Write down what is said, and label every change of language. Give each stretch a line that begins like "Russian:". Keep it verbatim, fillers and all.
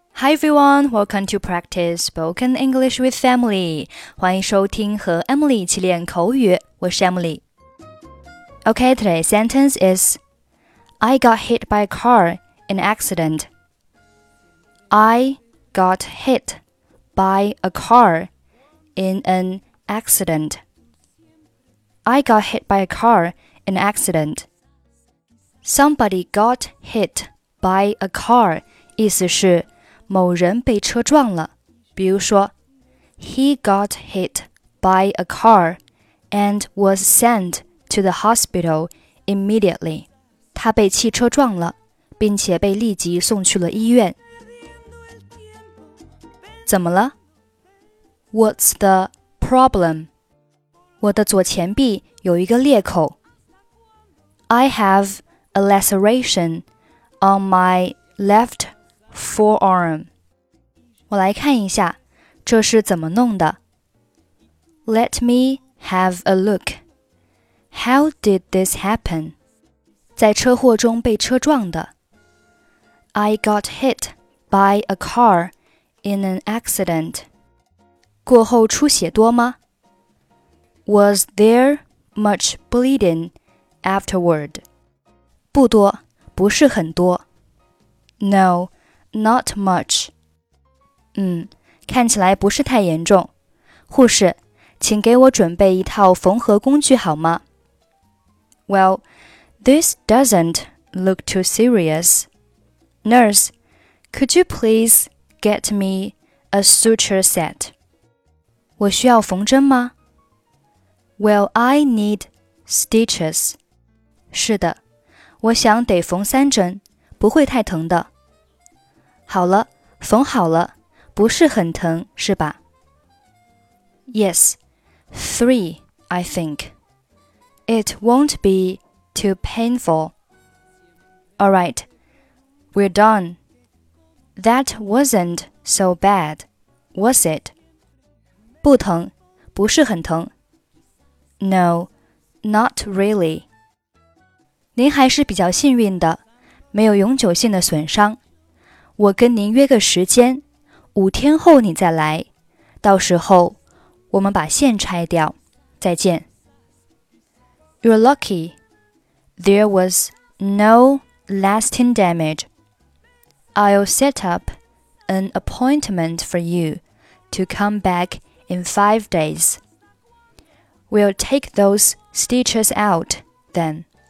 English: Hi everyone, welcome to practice spoken English with Emily.
Chinese: 欢迎收听和 Emily 一起练口语，我是 Emily.
English: Okay, today's sentence is I got hit by a car in an accident. I got hit by a car in an accident. I got hit by a car in an accident. Somebody got hit by a car.
Chinese: 意思是某人被车撞了。比如说
English: He got hit by a car and was sent to the hospital immediately.
Chinese: 他被汽车撞了，并且被立即送去了医院。怎么了？
English: What's the problem?
Chinese: 我的左前臂有一个裂口。
English: I have a laceration on my left forearm.
Chinese: 我来看一下，这是怎么弄的。
English: Let me have a look. How did this happen?
Chinese: 在车祸中被车撞的。
English: I got hit by a car in an accident.
Chinese: 过后出血多吗？
English: Was there much bleeding afterward?
Chinese: 不多，不是很多。
English: No. Not much.
Chinese: 嗯，看起来不是太严重。护士，请给我准备一套缝合工具好吗？
English: Well, this doesn't look too serious. Nurse, could you please get me a suture set?
Chinese: 我需要缝针吗？
English: Well, I need stitches.
Chinese: 是的，我想得缝三针，不会太疼的。好了，缝好了，不是很疼，是吧？
English: Yes, three, I think. It won't be too painful. All right, we're done. That wasn't so bad, was it?
Chinese: 不疼，不是很疼。
English: No, not really.
Chinese: 您还是比较幸运的，没有永久性的损伤。我跟您约个时间，五天后你再来，到时候我们把线拆掉，再见。
English: You're lucky. There was no lasting damage. I'll set up an appointment for you to come back in five days. We'll take those stitches out then.